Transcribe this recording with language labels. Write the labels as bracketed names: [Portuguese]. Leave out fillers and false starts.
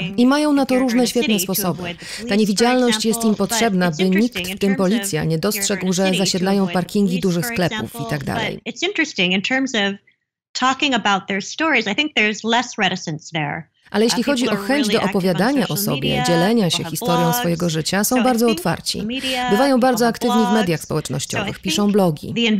[Polish] I mają na to różne świetne sposoby. Ta niewidzialność jest im potrzebna, by nikt, w tym policja, nie dostrzegł, że zasiedlają parkingi dużych sklepów i tak dalej. [English] It's interesting in terms of talking about their stories. I think there's less reticence there. [Polish] Ale jeśli chodzi o chęć do opowiadania o sobie, dzielenia się historią swojego życia, są bardzo otwarci. Bywają bardzo aktywni w mediach społecznościowych, piszą blogi.